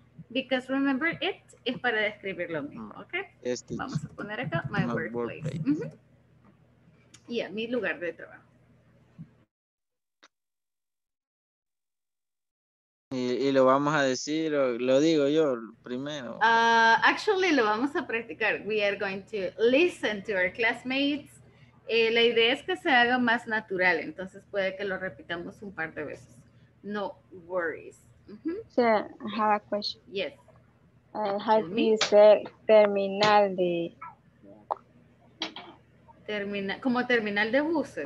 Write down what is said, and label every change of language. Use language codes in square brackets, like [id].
[en] Because remember, it [es] es para describir lo mismo, ¿ok? Vamos a poner acá, [en] my workplace. [es] Yeah, mi lugar de trabajo. Y lo vamos a decir, o lo digo yo primero. Actually, lo vamos a practicar. [en] We are going to listen to our classmates. [es] La idea es que se haga más natural, entonces puede que lo repitamos un par de veces. [en] No worries. Sir, I have a question. Yes. How do you say terminal de... [es] como terminal de buses?